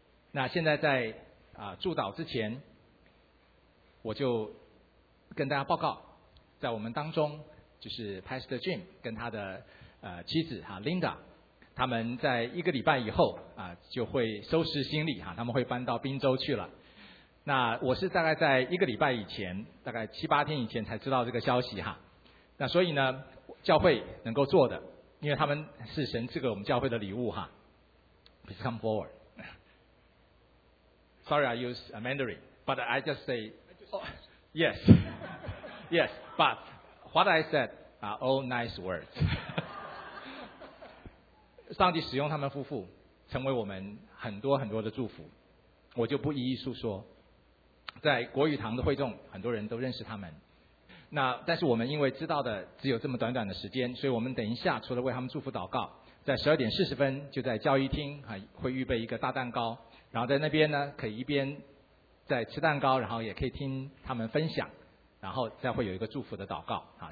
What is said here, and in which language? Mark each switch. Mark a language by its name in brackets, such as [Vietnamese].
[Chinese] 那现在在祝祷之前，我就跟大家报告，在我们当中就是 Pastor Jim 跟他的妻子哈 Linda， 他们在一个礼拜以后就会收拾行李哈，他们会搬到宾州去了。那我是大概在一个礼拜以前，大概七八天以前才知道这个消息哈。那所以呢，教会能够做的，因为他们是神赐给我们教会的礼物哈。 [English] Please come forward. Sorry, I use Mandarin, but I just say,、oh, yes, yes, but what I said are all nice words. [Chinese] 上帝使用他们夫妇，成为我们很多很多的祝福，我就不一一述说。在国语堂的会众，很多人都认识他们。那但是我们因为知道的只有这么短短的时间，所以我们等一下除了为他们祝福祷告，在12:40就在教育厅会预备一个大蛋糕，然后在那边呢可以一边在吃蛋糕，然后也可以听他们分享，然后再会有一个祝福的祷告啊。